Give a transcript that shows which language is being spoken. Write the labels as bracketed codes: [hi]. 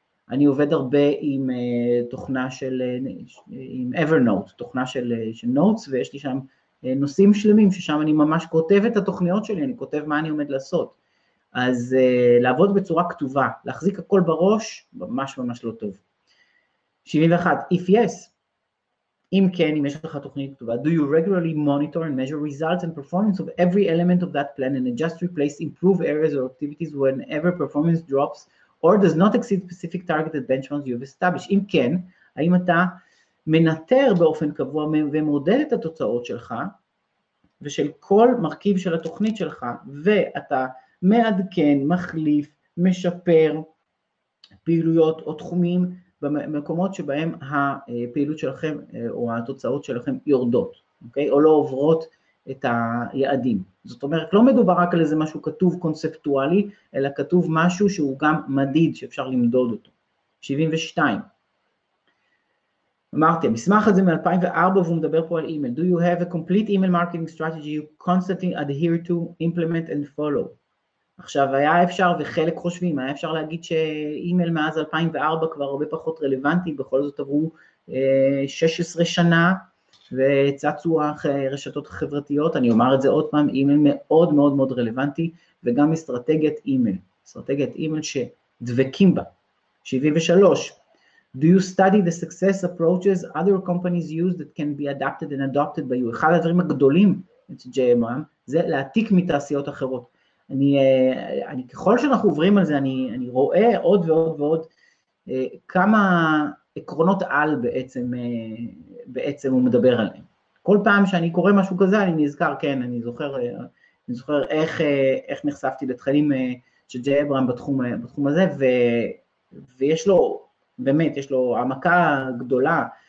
[he] אני עובד הרבה עם תוכנה של, עם Evernote, תוכנה של, של Notes, ויש לי שם נושאים שלמים, ששם אני ממש כותב את התוכניות שלי, אני כותב מה אני עומד לעשות. אז לעבוד בצורה כתובה, להחזיק הכל בראש, ממש ממש לא טוב. [en] 71, if yes, [he] אם כן, אם יש לך תוכנית כתובה, [en] do you regularly monitor and measure results and performance of every element of that plan and adjust, replace, improve areas or activities whenever performance drops or does not exceed specific targeted benchmarks you have established? [he] אם כן, האם אתה מנטר באופן קבוע ומודד את התוצאות שלך ושל כל מרכיב של התוכנית שלך ואתה מעדכן, מחליף, משפר פעילויות או תחומים במקומות שבהם הפעילות שלכם או התוצאות שלכם יורדות, אוקיי? או לא עוברות את היעדים. זאת אומרת, לא מדובר רק על איזה משהו כתוב קונספטואלי, אלא כתוב משהו שהוא גם מדיד, שאפשר למדוד אותו. 72. אמרתי, המסמך הזה מ-2004, והוא מדבר פה על אימייל. [en] Do you have a complete email marketing strategy you constantly adhere to, implement and follow? [he] עכשיו היה אפשר וחלק חושבים, היה אפשר להגיד שאימייל מאז 2004 כבר הרבה פחות רלוונטי, בכל זאת עברו 16 שנה וצצו הרשתות החברתיות, אני אומר את זה עוד פעם, אימייל מאוד מאוד מאוד רלוונטי וגם אסטרטגיית אימייל, אסטרטגיית אימייל שדבקים בה. 73. [en] Do you study the success approaches other companies use that can be adapted and adopted by you? [he] אחד הדברים הגדולים אצל JMM זה להעתיק מתעשיות אחרות. אני ככל שאנחנו עוברים על זה, אני רואה עוד ועוד ועוד כמה עקרונות על בעצם הוא מדבר עליהם. כל פעם שאני קורא משהו כזה, אני נזכר, כן, אני זוכר איך נחשפתי לתכנים של ג'י אברהם בתחום הזה, ויש לו, באמת, יש לו עמקה גדולה.